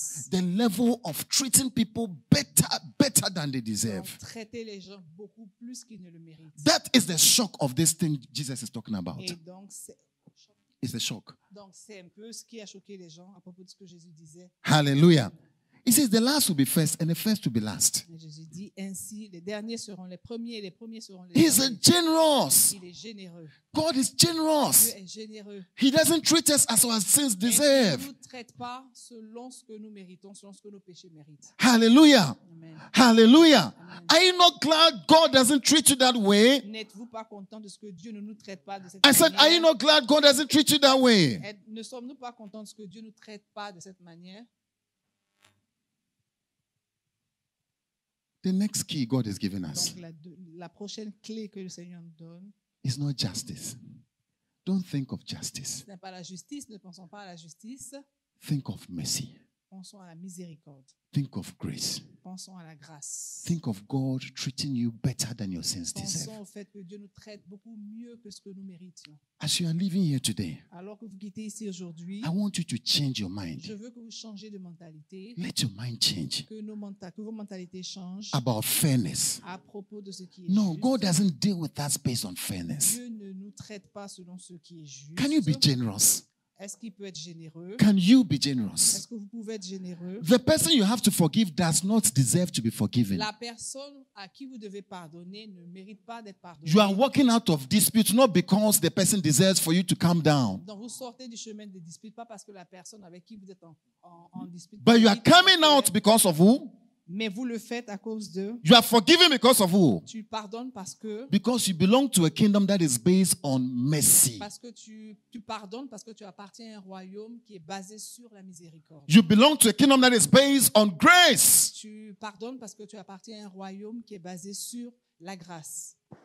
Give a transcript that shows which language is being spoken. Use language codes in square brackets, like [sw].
[en] The level of treating people better than they deserve. [fr] Donc, traiter les gens beaucoup plus qu'ils ne le méritent. [en] That is the shock of this thing Jesus is talking about. [fr] Et donc, [en] it's the shock. [fr] Donc, c'est un peu ce qui a choqué les gens à propos de ce que Jésus disait. [en] Hallelujah. He says the last will be first and the first will be last. [fr] Et Jésus dit ainsi, les derniers seront les premiers et les premiers seront les [en] derniers. He's generous. [fr] Il est généreux. [en] God is generous. [fr] Dieu est généreux. [en] He doesn't treat us as our sins deserve. [fr] Il ne nous traite pas selon ce que nous méritons, selon ce que nos péchés méritent. [en] Hallelujah. Amen. Hallelujah. Amen. Are you not glad God doesn't treat you that way? [fr] N'êtes-vous pas content de ce que Dieu ne nous traite pas de cette [en] manière? I said, are you not glad God doesn't treat you that way? [fr] Ne sommes-nous pas contents de ce que Dieu ne nous traite pas de cette manière? [en] The next key God is giving us. [fr] Donc, la prochaine clé que le Seigneur nous donne. [en] It's not justice. Don't think of justice. [fr] Ce n'est pas la justice. Ne pensons pas à la justice. [en] Think of mercy. [fr] Pensons à la miséricorde. [en] Think of grace. [fr] Pensons à la grâce. [en] Think of God treating you better than your sins deserve. [fr] Pensons au fait que Dieu nous traite beaucoup mieux que ce que nous méritions. [en] As you are living here today, [fr] alors que vous quittez ici aujourd'hui, [en] I want you to change your mind. [fr] Je veux que vous changez de mentalité. [en] Let your mind change. [fr] Que vos mentalités changent. [en] About fairness. [fr] À propos de ce qui est [en] no, [fr] juste. [en] God doesn't deal with that based on fairness. [fr] Dieu ne nous traite pas selon ce qui est juste. [en] Can you be generous? [fr] Est-ce qu'il peut être généreux? [en] Can you be generous? [fr] Est-ce que vous pouvez être généreux? [en] The person you have to forgive does not deserve to be forgiven. [fr] La personne à qui vous devez pardonner ne mérite pas d'être pardonnée. [en] You are walking out of dispute not because the person deserves for you to calm down. [fr] Donc vous sortez du chemin des disputes pas parce que la personne avec qui vous êtes en dispute. [en] But you are coming out because of who? [fr] Mais vous le faites à cause de. [en] You are forgiven because of who? [fr] Tu pardonnes parce que. [en] Because you belong to a kingdom that is based on mercy. [fr] Parce que tu pardonnes parce que tu appartiens à un royaume qui est basé sur la miséricorde. [en] You belong to a kingdom that is based on grace. [fr] Tu pardonnes parce que tu appartiens à un royaume qui est basé sur la grâce.